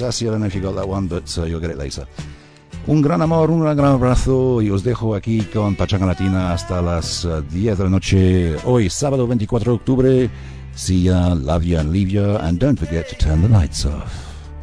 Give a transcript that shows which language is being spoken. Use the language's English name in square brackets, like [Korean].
[English] I don't know if you got that one, but you'll get it later. [Spanish] Un gran amor, un gran abrazo, y os dejo aquí con Pachanga Latina hasta las 10 de la noche, hoy sábado 24 de octubre. [English] See ya, love ya and leave ya, and don't forget to turn the lights off.